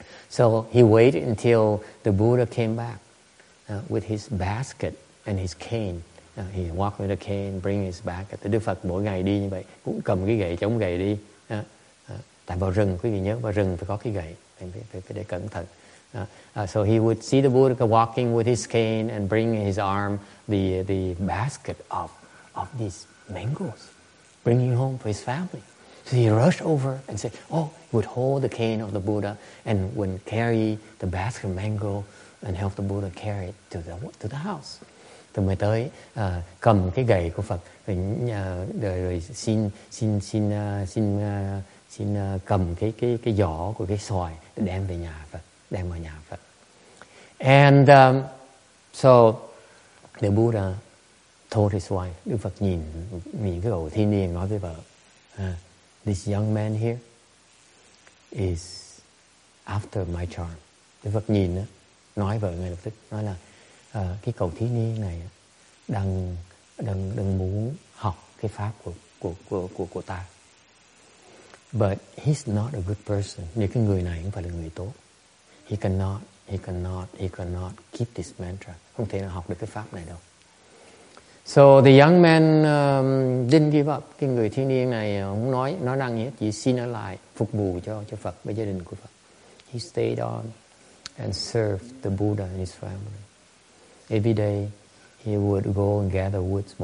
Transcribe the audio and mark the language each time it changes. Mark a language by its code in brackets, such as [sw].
[en] So he waited until the Buddha came back with his basket and his cane. He walked with a cane, bring his basket. [vi] Đức Phật mỗi ngày đi như vậy, cũng cầm cái gậy, chống gậy đi. Tại vào rừng, quý vị nhớ, vào rừng phải có cái gậy, phải để cẩn thận. [en] So he would see the Buddha walking with his cane and bring his arm the basket of these mangoes, bringing home for his family. So he rushed over and said, he would hold the cane of the Buddha and would carry the basket of mango and help the Buddha carry it to the house. [vi] Từ mới tới cầm cái gậy của Phật rồi xin cầm cái giỏ của cái xoài để đem về nhà Phật. [en] And so the Buddha told his wife, [vi] Đức Phật nhìn cái cậu thiên niên nói với vợ, [en] this young man here is after my charm. [vi] Đức Phật nhìn nói vợ ngay lập tức, nói là cái cậu thiên niên này đang muốn học cái pháp của ta. [en] But he's not a good person. [vi] Nếu cái người này không phải là người tốt, [en] he cannot he cannot keep this mantra. [vi] Không thể nào học được cái pháp này đâu. [en] So the young man didn't give up. [vi] Cái người thiếu niên này không nói, nó đang nghĩ chỉ xin ở lại phục vụ cho Phật và gia đình của Phật. [en] He stayed on and served the Buddha and his family. Every day he would go and gather woods.